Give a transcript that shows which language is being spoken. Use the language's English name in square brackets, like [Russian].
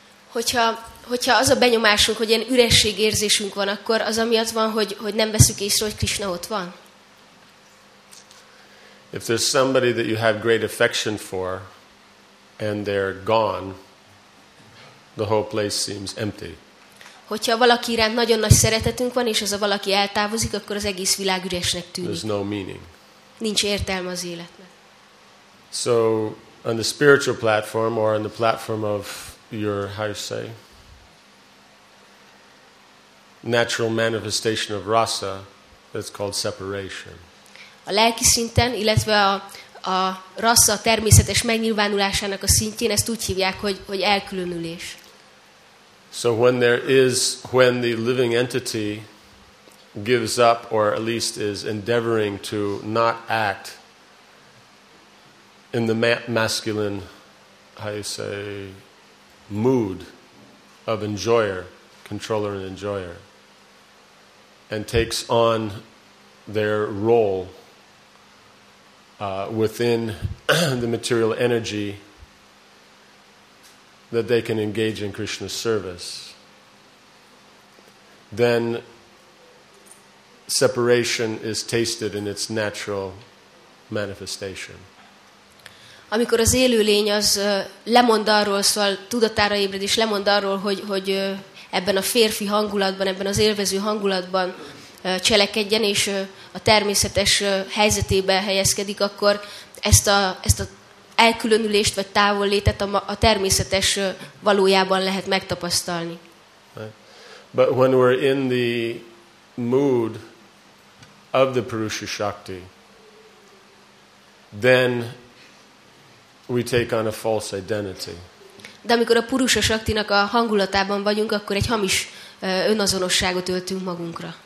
[Hungarian] Hogyha az a benyomásunk, hogy ilyen üresség érzésünk van, akkor az amiatt van, hogy nem veszük észre, hogy Krisna ott van. [English] If there's somebody that you have great affection for and they're gone, the whole place seems empty. [Hungarian] Hogyha valaki iránt nagyon nagy szeretetünk van és az a valaki eltávozik, akkor az egész világ üresnek tűnik. [English] There's no meaning. [Hungarian] Nincs értelme az életnek. [English] So on the spiritual platform or on the platform of your, how you say, natural manifestation of rasa, that's called separation. [Hungarian] A lelki szinten, illetve a rasa természetes megnyilvánulásának a szintjén ezt úgy hívják, hogy elkülönülés. [English] So when there is, when the living entity gives up or at least is endeavoring to not act in the masculine, how you say, mood of enjoyer, controller and enjoyer, and takes on their role within the material energy that they can engage in Krishna's service, then separation is tasted in its natural manifestation. [Hungarian] Amikor az élőlény az lemond arról, szóval tudatára ébred és lemond arról, hogy ebben a férfi hangulatban, ebben az élvező hangulatban cselekedjen és a természetes helyzetébe helyezkedik, akkor ezt a elkülönülést vagy távollétet a természetes valójában lehet megtapasztalni. [English] But when we're in the mood of the Purusha Shakti, then we take on a false identity. [Hungarian] De amikor a Purusha Shaktinak a hangulatában vagyunk, akkor egy hamis önazonosságot öltünk magunkra.